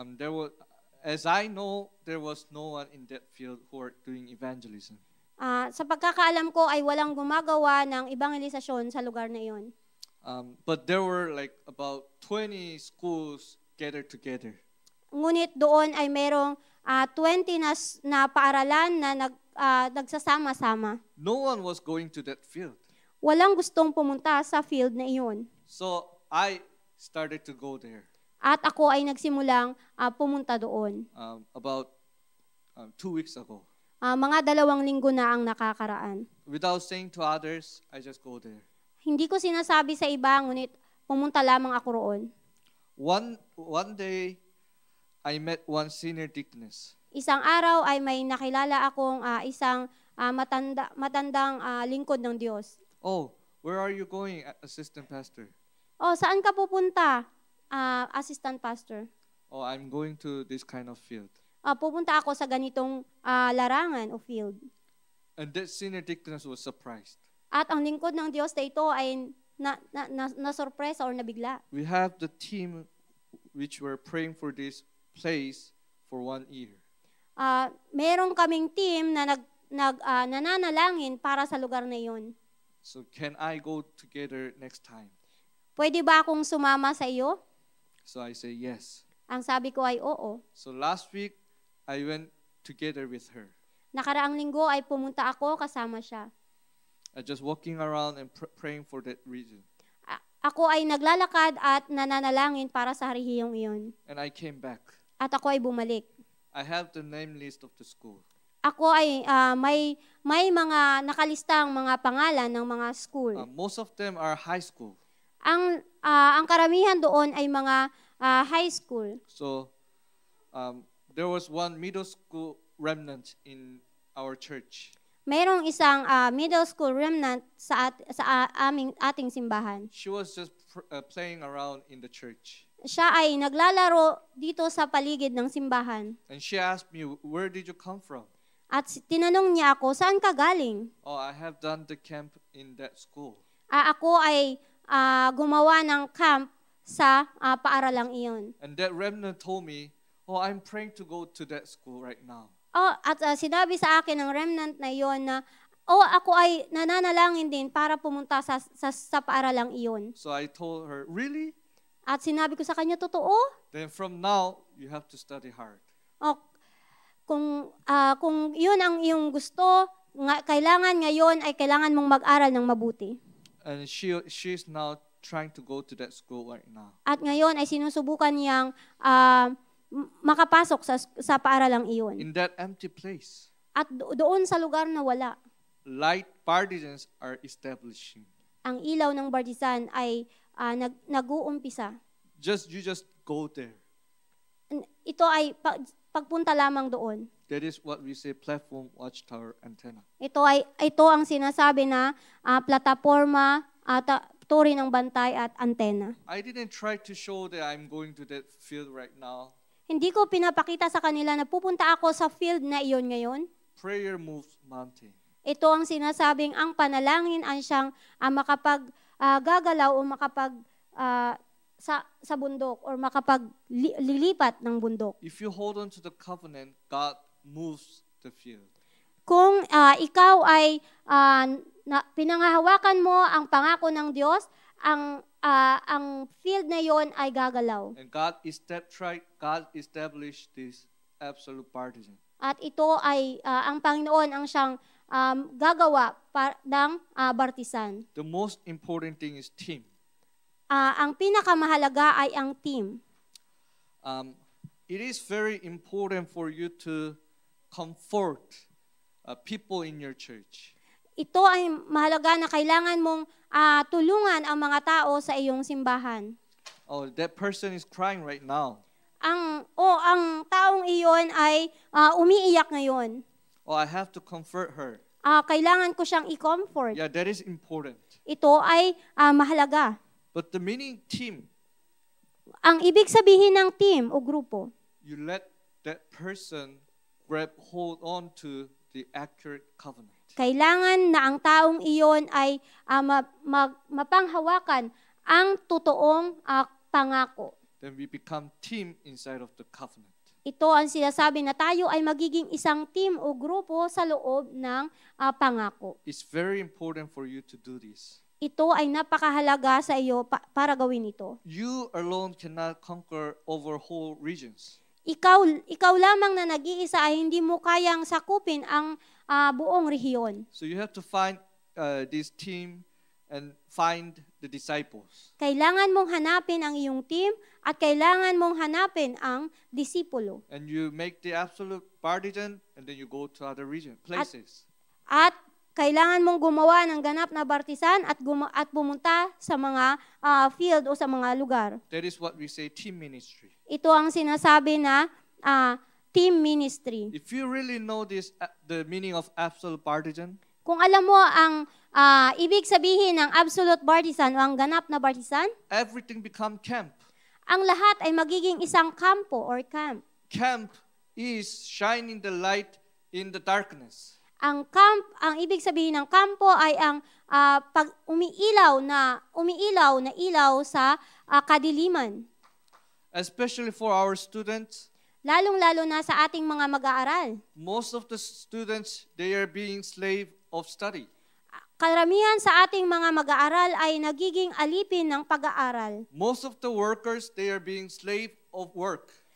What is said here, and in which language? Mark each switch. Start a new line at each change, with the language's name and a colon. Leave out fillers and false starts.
English: There was, as I know, there was no one in that field who are doing evangelism.
Filipino: Sa pagkakaalam ko ay walang gumagawa ng evangelization sa lugar na iyon.
English: But there were like about 20 schools gathered together.
Filipino: Ngunit doon ay merong 20 na paaralan na nagsasama-sama.
English: No one was going to that field.
Filipino: Walang gustong pumunta sa field na iyon.
English: So I started to go there.
Filipino: At ako ay nagsimulang pumunta doon.
English: About 2 weeks ago.
Filipino: Mga 2 linggo na ang nakakaraan.
English: Without saying to others, I just go there.
Filipino: Hindi ko sinasabi sa iba, ngunit pumunta lamang ako roon.
English: One day, I met one senior deaconess.
Filipino: Isang araw ay may nakilala akong isang matandang lingkod ng Diyos.
English: Oh, where are you going, assistant pastor?
Filipino: Oh, saan ka pupunta, assistant pastor?
English: Oh, I'm going to this kind of field.
Filipino: Pupunta ako sa ganitong larangan o field.
English: And that senior deaconess was surprised.
Filipino: At ang lingkod ng Diyos na ito ay na-surprise or nabigla.
English: We have the team which were praying for this place for 1 year.
Filipino: Merong kaming team na nananalangin para sa lugar na iyon.
English: So can I go together next time?
Filipino: Pwede ba akong sumama sa iyo?
English: So I say yes.
Filipino: Ang sabi ko ay oo.
English: So last week, I went together with her.
Filipino: Nakaraang linggo ay pumunta ako kasama siya.
English: I just walking around and praying for that reason.
Filipino: Ako ay naglalakad at nananalangin para sa harihiyong iyon.
English: And I came back.
Filipino: At ako ay bumalik.
English: I have the name list of the school.
Filipino: Ako ay may mga nakalistang mga pangalan ng mga school.
English: Most of them are high school.
Filipino: Ang karamihan doon ay mga high school.
English: So there was one middle school remnant in our church.
Filipino: Mayroong isang middle school remnant sa ating simbahan.
English: She was just playing around in the church.
Filipino: Siya ay naglalaro dito sa paligid ng simbahan.
English: And she asked me, "Where did you come from?"
Filipino: At tinanong niya ako, "Saan ka galing?"
English: Oh, I have done the camp in that school.
Filipino: Ako ay gumawa ng camp sa paaralang iyon.
English: And that remnant told me, "Oh, I'm praying to go to that school right now."
Filipino: At sinabi sa akin ng remnant na iyon na, ako ay nananalangin din para pumunta sa paaralang iyon.
English: So I told her, "Really?"
Filipino: At sinabi ko sa kanya, "Totoo?"
English: Then from now, you have to study hard.
Filipino: Kung yun ang iyong gusto, kailangan mong mag-aral ng mabuti.
English: And she is now trying to go to that school right now.
Filipino: At ngayon ay sinusubukan niyang makapasok sa paaralang iyon.
English: In that empty place.
Filipino: At doon sa lugar na wala.
English: Light partisans are establishing.
Filipino: Ang ilaw ng partisan ay nag-uumpisa.
English: You just go there.
Filipino: Ito ay pagpunta lamang doon.
English: That is what we say, platform, watchtower, antenna.
Filipino: Ito ang sinasabi na plataforma at turin ng bantay at antenna.
English: I didn't try to show that I'm going to that field right now.
Filipino: Hindi ko pinapakita sa kanila na pupunta ako sa field na iyon ngayon.
English: Prayer moves mountain.
Filipino: Ito ang sinasabing ang panalangin ang siyang makapag-gagalaw o makapag-sa bundok or makapag-lilipat ng bundok.
English: If you hold on to the covenant, God moves the field.
Filipino: Kung ikaw ay pinangahawakan mo ang pangako ng Diyos, ang field na yon ay gagalaw.
English: And God established this absolute partisan.
Filipino: At ito ay ang Panginoon ang siyang gagawa para ng partisan.
English: The most important thing is team.
Filipino: Ang pinakamahalaga ay ang team.
English: It is very important for you to comfort people in your church.
Filipino: Ito ay mahalaga na kailangan mong tulungan ang mga tao sa iyong simbahan.
English: Oh, that person is crying right now.
Filipino: Ang taong iyon ay umiiyak ngayon.
English: Oh, I have to comfort her.
Filipino: Kailangan ko siyang i-comfort.
English: Yeah, that is important.
Filipino: Ito ay mahalaga.
English: But the meaning team.
Filipino: Ang ibig sabihin ng team o grupo.
English: You let that person grab hold on to the accurate covenant.
Filipino: Kailangan na ang taong iyon ay mapanghawakan ang totoong pangako.
English: Then we become team inside of the covenant.
Filipino: Ito ang sinasabi na tayo ay magiging isang team o grupo sa loob ng pangako.
English: It's very important for you to do this.
Filipino: Ito ay napakahalaga sa iyo para gawin ito.
English: You alone cannot conquer over whole regions.
Filipino: Ikaw lamang na nag-iisa ay hindi mo kayang sakupin ang buong rehiyon.
English: So you have to find this team and find the disciples.
Filipino: Kailangan mong hanapin ang iyong team at kailangan mong hanapin ang disipulo.
English: And you make the absolute partisan and then you go to other region places.
Filipino: At kailangan mong gumawa ng ganap na partisan at bumunta sa mga field o sa mga lugar.
English: That is what we say team ministry.
Filipino: Ito ang sinasabi na team ministry.
English: If you really know this the meaning of absolute partisan,
Filipino: kung alam mo ang ibig sabihin ng absolute partisan o ang ganap na partisan,
English: everything become camp.
Filipino: Ang lahat ay magiging isang kampo or camp.
English: Camp is shining the light in the darkness.
Filipino: Ang camp, ang ibig sabihin ng kampo ay ang pag umiilaw na ilaw sa kadiliman.
English: Especially for our students.
Filipino: Lalong-lalo na sa ating mga mag-aaral.
English: Most of the students, they are being slave of study.
Filipino: Karamihan sa ating mga mag-aaral ay nagiging alipin ng pag-aaral.
English: Most of the workers, they are being slave of work.